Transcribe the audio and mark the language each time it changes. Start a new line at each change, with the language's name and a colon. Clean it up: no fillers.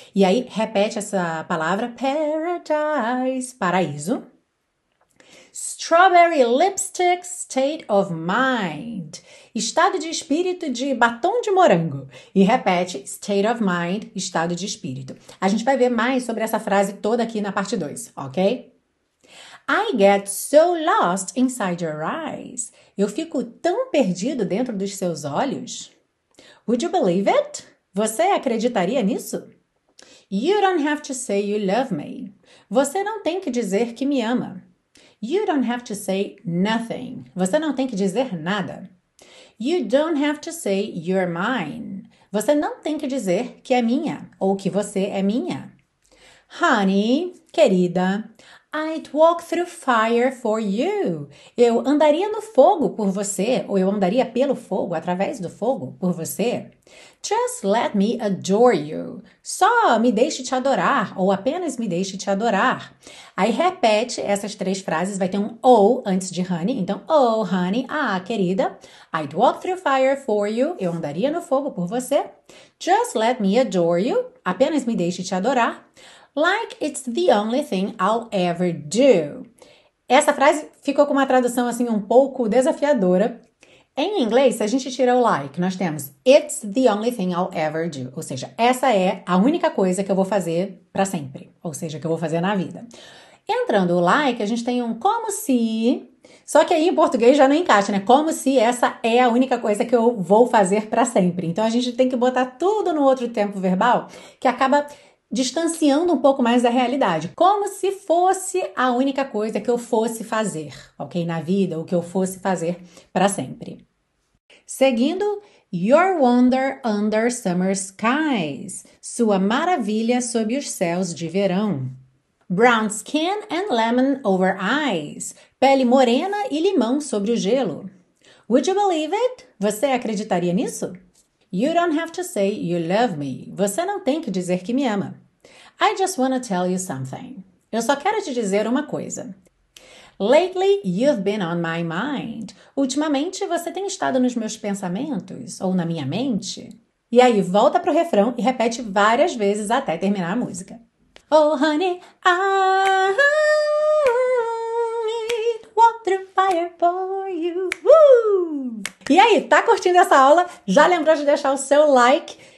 Portuguese: E aí, repete essa palavra: paradise, paraíso.
English: Strawberry lipstick state of mind.
Portuguese: Estado de espírito de batom de morango. E repete,
English: state of mind,
Portuguese: estado de espírito. A gente vai ver mais sobre essa frase toda aqui na parte 2, ok?
English: I get so lost inside your eyes.
Portuguese: Eu fico tão perdido dentro dos seus olhos.
English: Would you believe it?
Portuguese: Você acreditaria nisso?
English: You don't have to say you love me.
Portuguese: Você não tem que dizer que me ama.
English: You don't have to say nothing.
Portuguese: Você não tem que dizer nada.
English: You don't have to say you're mine.
Portuguese: Você não tem que dizer que é minha ou que você é minha.
English: Honey, querida, I'd walk through fire for you.
Portuguese: Eu andaria no fogo por você, ou eu andaria pelo fogo, através do fogo por você.
English: Just let me adore you.
Portuguese: Só me deixe te adorar, ou apenas me deixe te adorar. Aí repete essas três frases, vai ter um ou antes de honey.
English: Então, oh, honey, ah, querida, I'd walk through fire for you.
Portuguese: Eu andaria no fogo por você.
English: Just let me adore you.
Portuguese: Apenas me deixe te adorar.
English: Like it's the only thing I'll ever do.
Portuguese: Essa frase ficou com uma tradução assim um pouco desafiadora. Em inglês, se a gente tira o like, nós temos
English: It's the only thing I'll ever do.
Portuguese: Ou seja, essa é a única coisa que eu vou fazer para sempre. Ou seja, que eu vou fazer na vida. Entrando o like, a gente tem um como se. Só que aí em português já não encaixa, né? Como se essa é a única coisa que eu vou fazer para sempre. Então a gente tem que botar tudo no outro tempo verbal, que acaba distanciando um pouco mais da realidade, como se fosse a única coisa que eu fosse fazer, ok? Na vida, o que eu fosse fazer para sempre. Seguindo,
English: Your wonder under summer skies.
Portuguese: Sua maravilha sob os céus de verão.
English: Brown skin and lemon over ice.
Portuguese: Pele morena e limão sobre o gelo.
English: Would you believe it?
Portuguese: Você acreditaria nisso?
English: You don't have to say you love me.
Portuguese: Você não tem que dizer que me ama.
English: I just wanna tell you something.
Portuguese: Eu só quero te dizer uma coisa.
English: Lately, you've been on my mind.
Portuguese: Ultimamente, você tem estado nos meus pensamentos ou na minha mente. E aí, volta pro refrão e repete várias vezes até terminar a música.
English: Oh, honey, I'd walk through fire for you.
Portuguese: E aí, tá curtindo essa aula? Já lembrou de deixar o seu like?